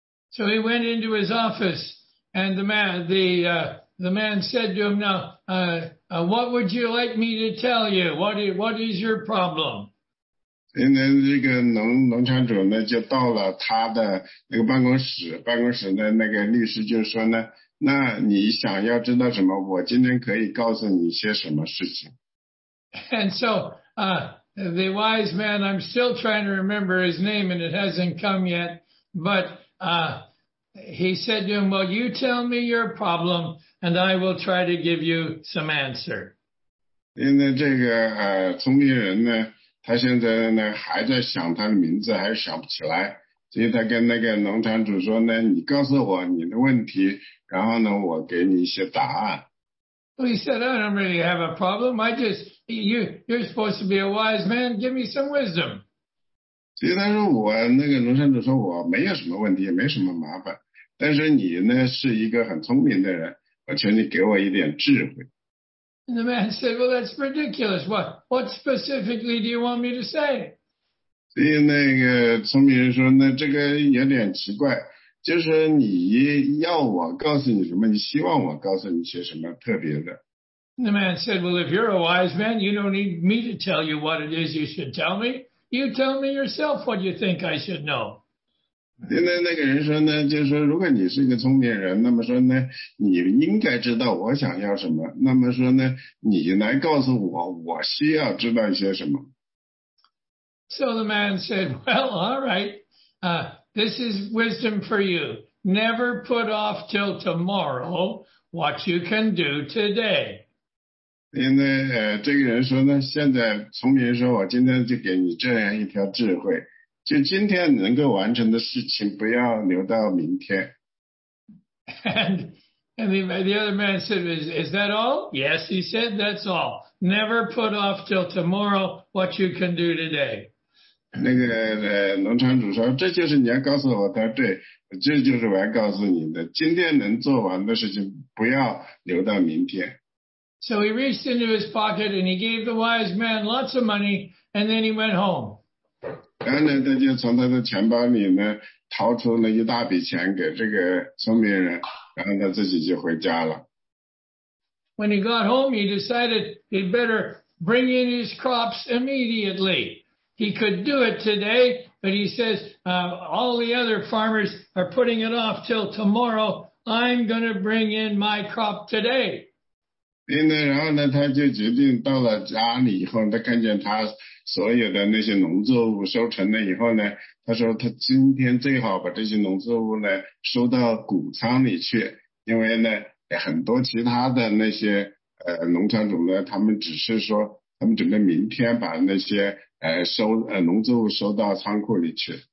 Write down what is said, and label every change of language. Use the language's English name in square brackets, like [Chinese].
[English] So he went into his office, and the man said to him, now, what would you like me to tell you? What is your problem? [Chinese] 因为这个农场主呢就到了他的那个办公室的那个律师就说呢，那你想要知道什么，我今天可以告诉你些什么事情。 [English] And so, the wise man, I'm still trying to remember his name and it hasn't come yet, but, he said to him, well, you tell me your problem, and I will try to give you some answer. [Chinese] 因为这个聪明人呢，他现在呢还在想他的名字，还想不起来。所以他跟那个农场主说呢，你告诉我你的问题，然后呢我给你一些答案。 [English] Well, he said, I don't really have a problem. You're supposed to be a wise man. Give me some wisdom. [Chinese] 所以他说我那个农场主说我没有什么问题，也没什么麻烦。但是你呢是一个很聪明的人，我求你给我一点智慧。 [English] And the man said, well, that's ridiculous. What specifically do you want me to say? [Chinese] 所以那个聪明人说，那这个有点奇怪，就是你要我告诉你什么，你希望我告诉你些什么特别的。 [English] And the man said, well, if you're a wise man, you don't need me to tell you what it is you should tell me. You tell me yourself what you think I should know. [Chinese] 因为那个人说呢，就是说如果你是一个聪明人，那么说呢你应该知道我想要什么，那么说呢你来告诉我我需要知道一些什么。 [English] So the man said, well, all right, this is wisdom for you. Never put off till tomorrow what you can do today. [Chinese] 因为这个人说呢，现在聪明人说，我今天就给你这样一条智慧，就今天能够完成的事情不要留到明天。 [English] And the other man said, is that all? Yes, he said, that's all. Never put off till tomorrow what you can do today. [Chinese] 那个农场主说，这就是你要告诉我的，对，这就是我要告诉你的，今天能做完的事情不要留到明天。 [English] So he reached into his pocket and he gave the wise man lots of money and then he went home. [Chinese] 然后呢他就从他的钱包里呢掏出了一大笔钱给这个聪明人，然后他自己就回家了。 [English] When he got home, he decided he'd better bring in his crops immediately. He could do it today, but he says, all the other farmers are putting it off till tomorrow. I'm going to bring in my crop today. [Chinese] 然后呢，他就决定到了家里以后，他看见他所有的那些农作物收成了以后呢，他说他今天最好把这些农作物呢收到谷仓里去，因为呢很多其他的那些农场主呢，他们只是说他们准备明天把那些农作物收到仓库里去。